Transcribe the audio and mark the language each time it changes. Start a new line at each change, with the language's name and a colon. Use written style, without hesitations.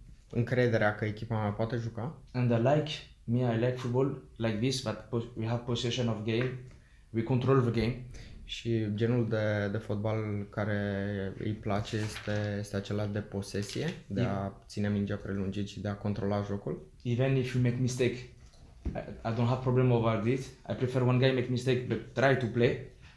Romanian: Încrederea că echipa mea poate juca.
English: And I like football like this, but we have possession of game, we control the game.
Romanian: Și genul de fotbal care îi place este acela de posesie, de a ține mingea prelungit și de a controla jocul.
English: Even if you make mistake, I don't have problem over this. I prefer one guy make mistake, but try to play.